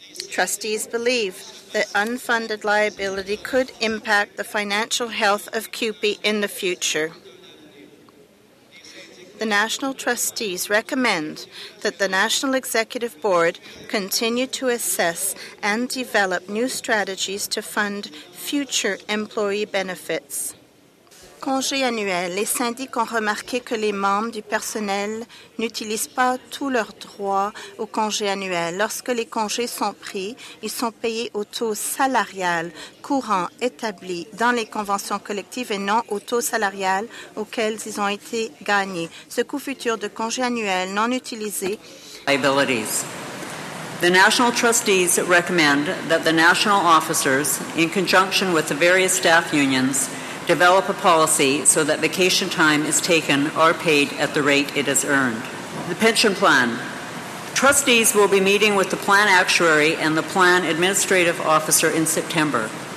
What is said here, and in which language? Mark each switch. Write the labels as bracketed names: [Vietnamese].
[English] Trustees believe that unfunded liability could impact the financial health of CUPE in the future. The National Trustees recommend that the National Executive Board continue to assess and develop new strategies to fund future employee benefits. [French] Congé annuel. Les syndics ont remarqué que les membres du personnel n'utilisent pas tous leurs droits au congé annuel. Lorsque les congés sont pris, ils sont payés au taux salarial courant établi dans les conventions collectives et non au taux salarial auquel ils ont été gagnés. Ce coût futur de congé annuel non utilisé. [English] Liabilities. The National Trustees recommend that the National Officers, in conjunction with the various staff unions, develop a policy so that vacation time is taken or paid at the rate it is earned. The Pension Plan. Trustees will be meeting with the Plan Actuary and the Plan Administrative Officer in September.